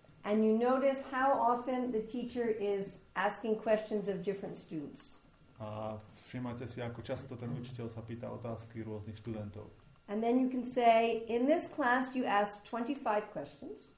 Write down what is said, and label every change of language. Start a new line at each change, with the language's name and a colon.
English: And you notice how often the teacher is asking questions of different students.
Slovak: A všimáte si, ako často ten učiteľ sa pýta otázky rôznych študentov.
English: And then you can say, in this class you ask 25 questions.